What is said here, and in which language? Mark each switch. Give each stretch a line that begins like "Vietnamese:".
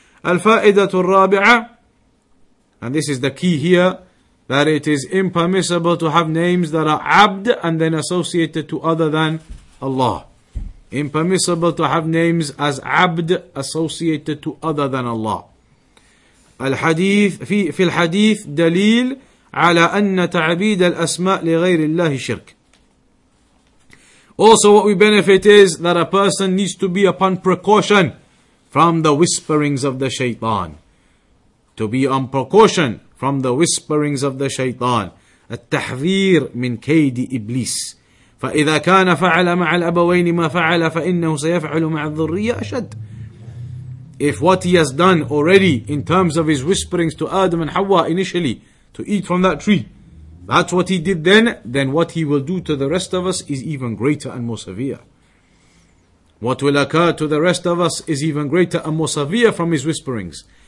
Arabic: الْفَائِدَةُ الرَّابِعَةُ.
English: And this is the key here, that it is impermissible to have names that are abd and then associated to other than Allah. Impermissible to have names as abd associated to other than Allah.
Arabic: الحديث في الحديث دليل على أن تعبيد الأسماء لغير الله شرك.
English: Also, what we benefit is that a person needs to be upon precaution from the whisperings of the shaitan. To be on precaution from the whisperings of the shaitan.
Arabic: التحذير من كيد إبليس. فإذا كان فعل مع الأبوين ما فعل فإنه سيفعل مع الذرية أشد.
English: If what he has done already in terms of his whisperings to Adam and Hawa initially, to eat from that tree, that's what he did then what he will do to the rest of us is even greater and more severe. What will occur to the rest of us is even greater and more severe from his whisperings.